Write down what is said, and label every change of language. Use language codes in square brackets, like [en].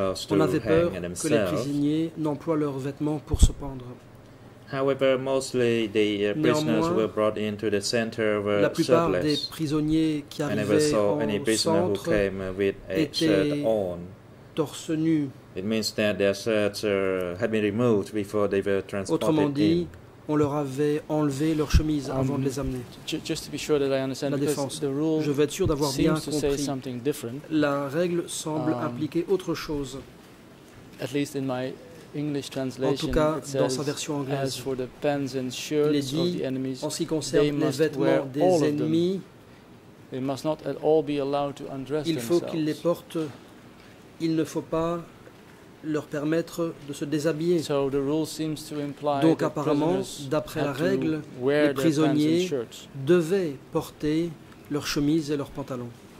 [fr] On avait peur que les prisonniers n'emploient leurs vêtements pour se pendre. [en] However, mostly the prisoners were brought into the center were shirtless. [fr] La plupart des prisonniers qui arrivaient au centre étaient torse nu. [en] It means that their shirts had been removed before they were transported. [fr] Autrement dit, on leur avait enlevé leurs chemises avant de les amener. [en] Just to be sure that I understand, [fr] la défense. [en] The rule, [fr] je vais être sûr d'avoir bien compris. La règle semble impliquer autre chose. [en] At least in my English translation, [fr] en tout cas, dans sa version anglaise, [en] as for the pants and shirts [fr] il est dit, [en] of the enemies, [fr] en ce qui concerne les vêtements des ennemis, [en] they must not at all be allowed to undress [fr] il faut [en] themselves. [fr] Qu'ils les portent, il ne faut pas leur permettre de se déshabiller. [en] So the rule seems to imply [fr] donc apparemment, d'après la règle, les prisonniers devaient porter leurs chemises et leurs pantalons.